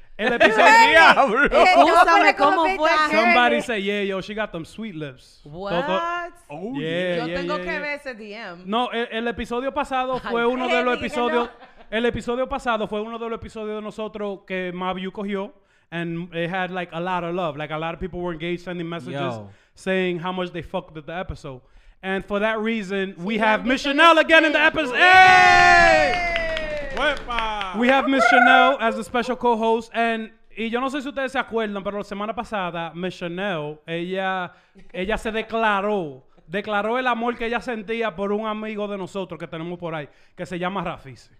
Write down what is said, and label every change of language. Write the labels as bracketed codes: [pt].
[es] El episodio. ¡Diablo! ¿Cómo fue? [en] Somebody say, yeah, yo, she got them sweet lips. What? Toto. Oh, yeah. [es] Yo tengo que ver ese DM. No, el episodio pasado fue uno de los episodios. El episodio pasado fue uno de los episodios de nosotros que Mavio cogió. [en] And it had like a lot of love. Like a lot of people were engaged sending messages. Yo. Saying how much they fucked with the episode. And for that reason, we have Miss Chanel again in the episode. Hey! We have Miss Chanel as a special co-host. And [es] y yo no sé si ustedes se acuerdan, pero la semana pasada, Miss Chanel, ella se declaró el amor que ella sentía por un amigo de nosotros que tenemos por ahí, que se llama Rafis.